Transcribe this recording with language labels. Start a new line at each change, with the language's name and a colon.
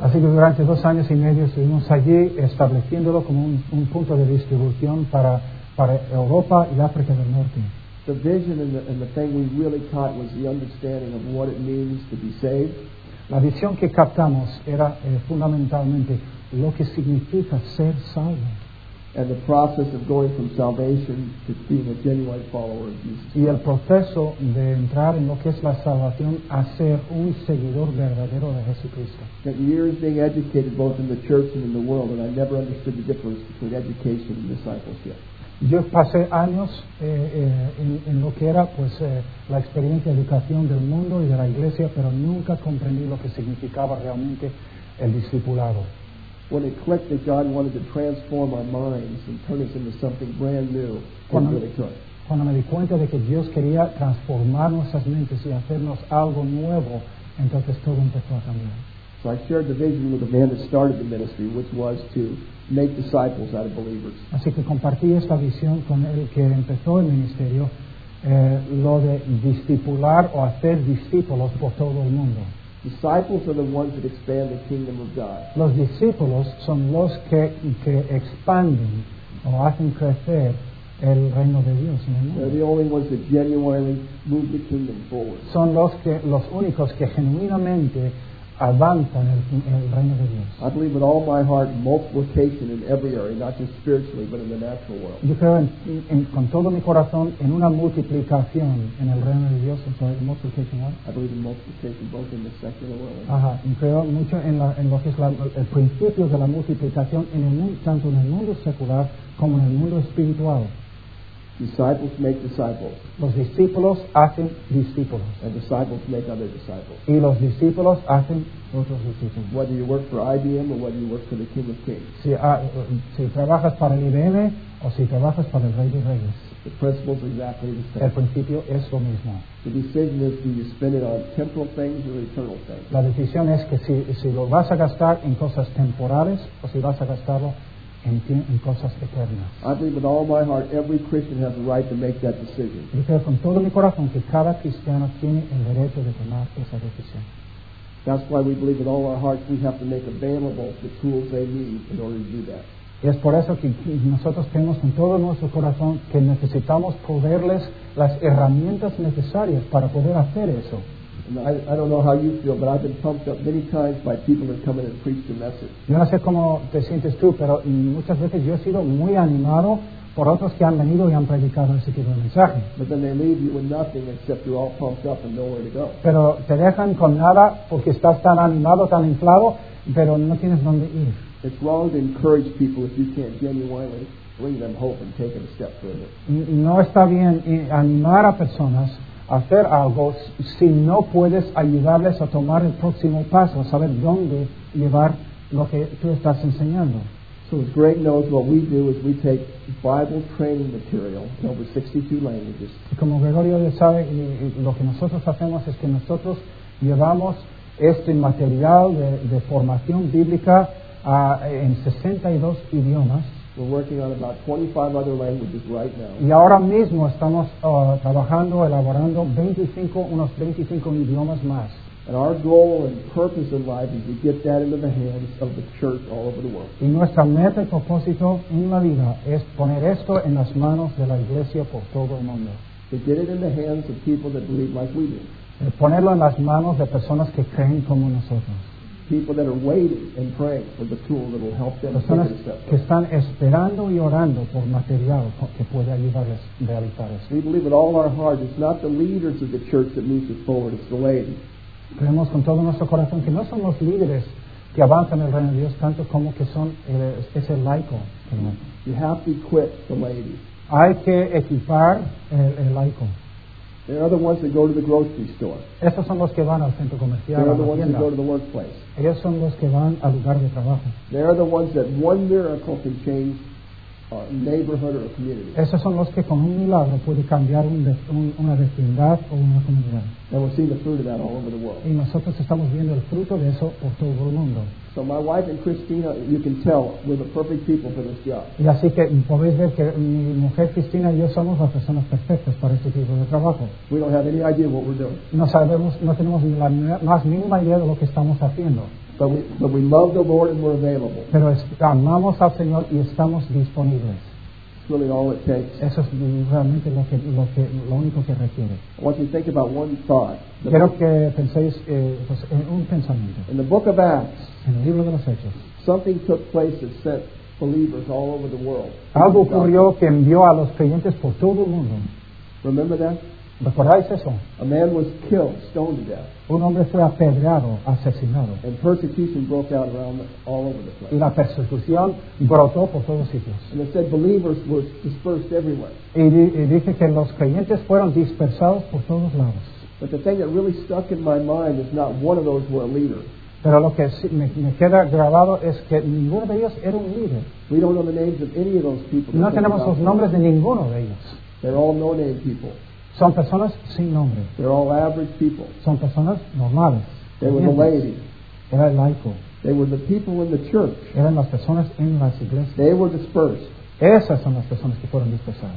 Spanish: Así que durante 2 años y medio estuvimos allí estableciéndolo como un punto de distribución para Europa y África del Norte.
English: The vision and the thing we really caught was the understanding of what it means to be saved.
Spanish: La visión que captamos era fundamentalmente lo que significa ser salvo.
English: and the process of going from salvation to being a genuine follower of Jesus.
Spanish: Y el proceso de entrar en lo que es la salvación a ser un seguidor verdadero de Jesucristo.
English: That years being educated both in the church and in the world, and I never understood the difference between education and discipleship.
Spanish: Yo pasé años en lo que era pues la experiencia de educación del mundo y de la iglesia, pero nunca comprendí lo que significaba realmente el discipulado.
English: When it clicked that God wanted to transform our minds and turn us into something brand new,
Spanish: cuando me di cuenta de que Dios quería transformar nuestras mentes y hacernos algo nuevo, entonces todo empezó a cambiar.
English: So I shared the vision with the man that started the ministry, which was to make disciples out of believers.
Spanish: Así que compartí esta visión con el que empezó el ministerio, lo de discipular o hacer discípulos por todo el mundo.
English: Disciples are the ones that expand the kingdom of God.
Spanish: Los discípulos son los que expanden o hacen crecer el reino de Dios en el mundo.
English: They're the only ones that genuinely move the kingdom forward.
Spanish: Son los únicos que genuinamente avanzan el reino de Dios.
English: I believe with all my heart multiplication in every area, not just spiritually, but in the natural world.
Spanish: Yo creo con todo mi corazón en una multiplicación en el reino de Dios, en la multiplicación.
English: I believe in multiplication both in the secular world.
Spanish: Ajá, y creo mucho en lo que es el principio de la multiplicación en el mundo, tanto en el mundo secular como en el mundo espiritual.
English: Disciples make disciples.
Spanish: Los discípulos hacen discípulos.
English: And disciples make other disciples.
Spanish: Y los discípulos hacen otros discípulos.
English: Whether you work for IBM or whether you work for the King of Kings.
Spanish: Si trabajas para el IBM o si trabajas para el Rey de Reyes.
English: The principle is exactly the same.
Spanish: El principio es lo mismo.
English: The decision is, do you spend it on temporal things or eternal things?
Spanish: La decisión es que si lo vas a gastar en cosas temporales o si vas a gastarlo en cosas eternas.
English: I believe with all my heart every Christian has the right to make that decision.
Spanish: Yo creo con todo mi corazón que cada cristiano tiene el derecho de tomar esa decisión.
English: That's why we believe with all our hearts we have to make available the tools they need in order to do that.
Spanish: Y es por eso que nosotros tenemos con todo nuestro corazón que necesitamos proveerles las herramientas necesarias para poder hacer eso.
English: I don't know how you feel, but I've been pumped up many times by people that come in and preach the message.
Spanish: Yo no sé cómo te sientes tú, pero muchas veces yo he sido muy animado por otros que han venido y han predicado ese tipo de mensaje.
English: But then they leave you with nothing except you're all pumped up and nowhere to go.
Spanish: Pero te dejan con nada porque estás tan animado, tan inflado, pero no tienes dónde ir.
English: It's wrong to encourage people if you can't genuinely bring them hope and take them a step further.
Spanish: No está bien animar a personas hacer algo si no puedes ayudarles a tomar el próximo paso, saber dónde llevar lo que tú estás enseñando.
English: So as Greg knows, what we do is we take Bible training material in over 62 languages.
Spanish: Como Gregorio ya sabe, lo que nosotros hacemos es que nosotros llevamos este material de formación bíblica en 62 idiomas.
English: We're working on about 25 other languages right now.
Spanish: Y ahora mismo estamos trabajando, elaborando 25, unos 25 idiomas más.
English: And our goal and purpose in life is to get that into the hands of the church all over the world.
Spanish: Y nuestra meta y propósito en la vida es poner esto en las manos de la iglesia por todo el mundo.
English: To get it in the hands of people that believe like we do.
Spanish: El ponerlo en las manos de personas que creen como nosotros.
English: People that are waiting and praying for the tool that will help them.
Spanish: Personas que están esperando y orando por material que pueda ayudarles a realizar eso.
English: We believe with all our heart it's not the leaders of the church that moves us forward, it's the laity.
Spanish: Creemos con todo nuestro corazón que no son los líderes que avanzan el reino de Dios tanto como que son ese laico.
English: You have to equip the laity.
Spanish: Hay que equipar el laico.
English: They're the ones that go to the grocery store.
Spanish: Estos son los que van al centro comercial.
English: They're the ones that go to the workplace.
Spanish: Ellos son los que van al lugar de trabajo.
English: They're the ones that one miracle can change a neighborhood or a community.
Spanish: Estos son los que con un milagro puede cambiar una vecindad o una comunidad.
English: And we're seeing the fruit of that all over the world.
Spanish: Y nosotros estamos viendo el fruto de eso por todo el mundo.
English: So my wife and Christina, you can tell, we're the perfect people for this job.
Spanish: Y así que podéis ver que mi mujer Cristina y yo somos las personas perfectas para este tipo de trabajo.
English: We don't have any idea what we're doing.
Spanish: No sabemos, no tenemos ni la más mínima idea de lo que estamos haciendo.
English: But we love the Lord and we're available.
Spanish: Pero amamos al Señor y estamos disponibles.
English: Really all it takes.
Spanish: Eso es realmente lo único que requiere.
English: I want you to think about one thought.
Spanish: Quiero que penséis en un pensamiento.
English: In the book of Acts,
Spanish: en el libro de los Hechos,
English: something took place that sent believers all over the world.
Spanish: Algo ocurrió que envió a los creyentes por todo el mundo.
English: Remember that?
Spanish: ¿Recordáis eso?
English: A man was killed, stoned to death.
Spanish: Un hombre fue apedreado, asesinado.
English: And persecution broke out around all over the place.
Spanish: Y la persecución brotó por todos sitios.
English: And it said believers were dispersed everywhere.
Spanish: Y dice que los creyentes fueron dispersados por todos lados.
English: But the thing that really stuck in my mind is not one of those were a leader.
Spanish: Pero lo que me queda grabado es que ninguno de ellos era un líder.
English: We don't know the names of any of those people.
Spanish: No tenemos los nombres de ninguno de ellos.
English: They're all no-name people.
Spanish: Son personas sin nombre.
English: They're all average people.
Spanish: Son personas normales.
English: They were the laity.
Spanish: Era el laico.
English: They were the people in the church.
Spanish: Eran las personas en las iglesias.
English: They were dispersed.
Spanish: Esas son las personas que fueron dispersadas.